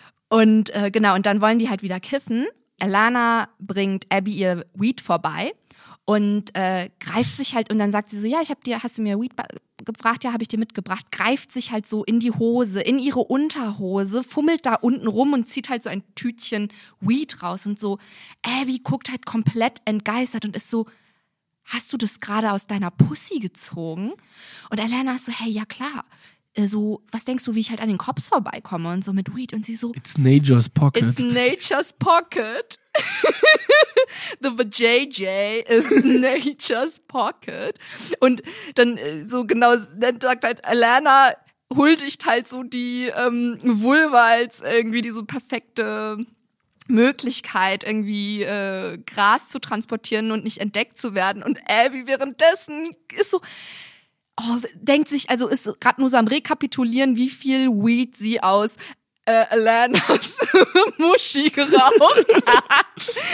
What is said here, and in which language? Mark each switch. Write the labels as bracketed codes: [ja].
[de] Und genau, und dann wollen die halt wieder kiffen. Ilana bringt Abby ihr Weed vorbei und greift sich halt und dann sagt sie so, ja, hast du mir Weed gebracht, ja, habe ich dir mitgebracht, greift sich halt so in die Hose, in ihre Unterhose, fummelt da unten rum und zieht halt so ein Tütchen Weed raus und so, Abby guckt halt komplett entgeistert und ist so, hast du das gerade aus deiner Pussy gezogen? Und Alana ist so, hey, ja klar, so, was denkst du, wie ich halt an den Cops vorbeikomme und so mit Weed und sie so, [en] it's nature's pocket. It's nature's pocket. The vajayjay is nature's pocket. [de] Und dann so genau, dann sagt halt Alana, huldigt halt so die Vulva als irgendwie diese perfekte Möglichkeit, irgendwie Gras zu transportieren und nicht entdeckt zu werden. Und Abby währenddessen ist so, oh, denkt sich, also ist gerade nur so am Rekapitulieren, wie viel Weed sie aus Alanas Muschi geraucht hat.